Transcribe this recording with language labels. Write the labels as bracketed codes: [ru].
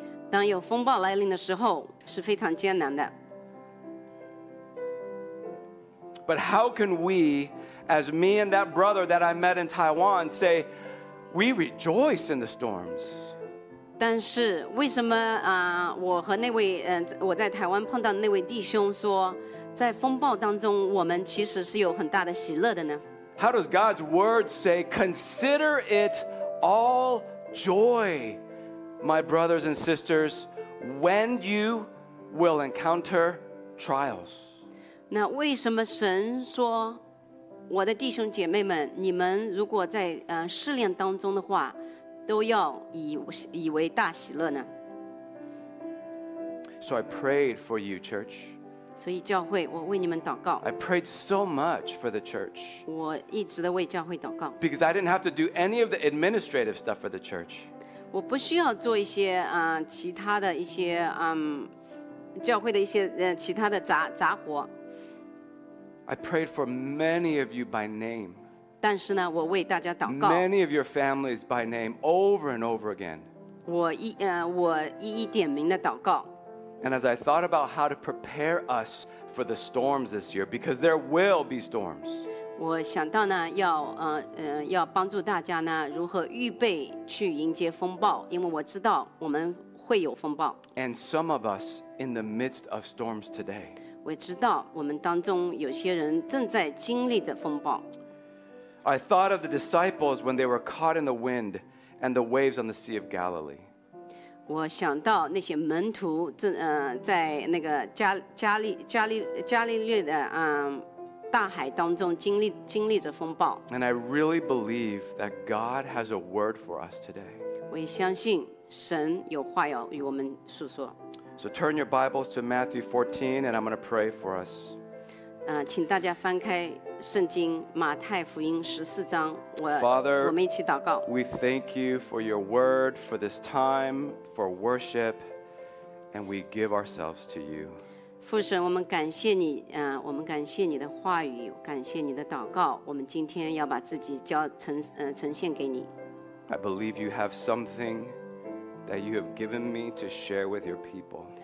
[zh] 当有风暴来临的时候是非常艰难的。 [en] But how can we, as me and that brother that I met in Taiwan, say we rejoice in the storms? [zh] 但是为什么我和那位我在台湾碰到那位弟兄说在风暴当中我们其实是有很大的喜乐的呢 [en] How does God's word say consider it all joy my brothers and sisters when you will encounter trials [zh] 那为什么神说我的弟兄姐妹们你们如果在试炼当中的话都要以为大喜乐呢 [en] So I prayed for you, church. [zh] 所以教会，我为你们祷告。 [en] I prayed so much for the church. [zh] 我一直的为教会祷告。 [en] Because I didn't have to do any of the administrative stuff for the church. [zh] 我不需要做一些其他的一些教会的一些其他的杂活。 [en] I prayed for many of you by name. [zh] 但是呢，我为大家祷告。 [en] Many of your families by name, over and over again. [zh] 我一一点名的祷告。 [en] And as I thought about how to prepare us for the storms this year, because there will be storms. [zh] 我想到呢，要帮助大家呢，如何预备去迎接风暴，因为我知道我们会有风暴。 [en] And some of us in the midst of storms today. [zh] 我知道我们当中有些人正在经历着风暴。 [en] I thought of the disciples when they were caught in the wind and the waves on the Sea of Galilee. [zh] 我想到那些门徒在那个加利略的大海当中经历着风暴。 [en] And I really believe that God has a word for us today. [zh] 我也相信神有话要与我们诉说。 [en] So turn your Bibles to Matthew 14 and I'm going to pray for us. [zh] 请大家翻开圣经马太福音十四章 [en] Father, [zh] 我们一起祷告 [en] we thank you for your word for this time for worship And we give ourselves to you. [zh] 父神，我们感谢你，我们感谢你的话语，感谢你的祷告。我们今天要把自己交呈现给你。 [en] I believe you have something that you have given me to share with your people.